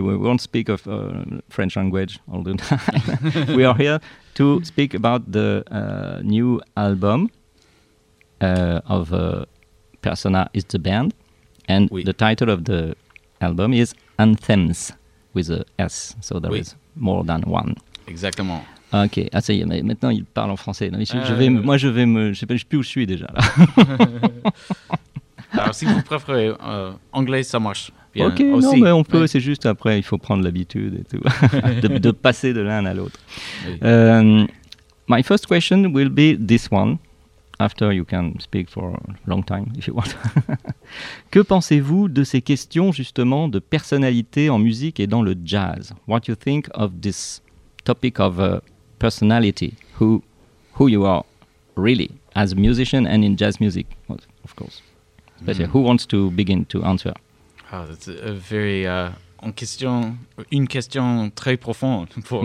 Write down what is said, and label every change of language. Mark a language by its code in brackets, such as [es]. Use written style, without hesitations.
[en] We won't speak of French language all the time. We are here to speak about the new album of Persona is the band, and oui. The title of the album is Anthems with a S. So there oui. is more than one. [fr] Exactement. Ok, ah ça y est, maintenant il parle en français. Non, je sais plus où je suis déjà. Là. Alors si vous préférez anglais, ça marche. Bien, ok, aussi. Non, mais on peut, ouais. C'est juste après, il faut prendre l'habitude et tout, de passer de l'un à l'autre. Oui. [en] My first question will be this one, after you can speak for a long time, if you want. [fr] Que pensez-vous de ces questions, justement, de personnalité en musique et dans le jazz? [en] What you think of this topic of personality, who you are really, as a musician and in jazz music, of course. Especially, who wants to begin to answer? Oh, that's a very [fr] une question très profonde pour